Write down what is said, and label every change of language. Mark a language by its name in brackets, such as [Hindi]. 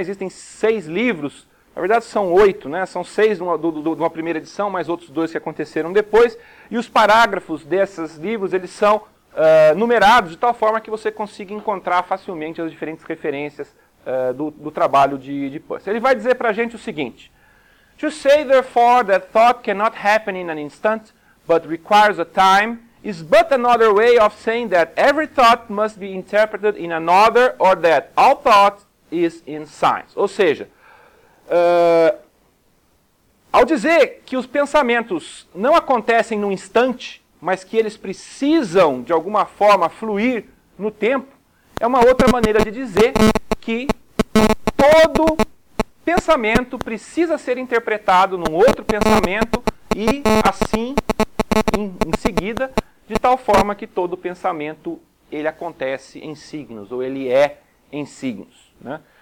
[Portuguese] Existem seis livros, na verdade são oito, né? São seis de uma primeira edição, mais outros dois que aconteceram depois. E os parágrafos desses livros, eles são numerados de tal forma que você consiga encontrar facilmente as diferentes referências do trabalho de Peirce. Ele vai dizer para a gente o seguinte: [English] "To say, therefore, that thought cannot happen in an instant, but requires a time, is but another way of saying that every thought must be interpreted in another, or that all thought is in science." [Portuguese] Ou seja, ao dizer que os pensamentos não acontecem num instante, mas que eles precisam, de alguma forma, fluir no tempo, é uma outra maneira de dizer que todo pensamento precisa ser interpretado num outro pensamento e, assim, em seguida, de tal forma que todo pensamento ele acontece em signos, ou ele é em signos. Né?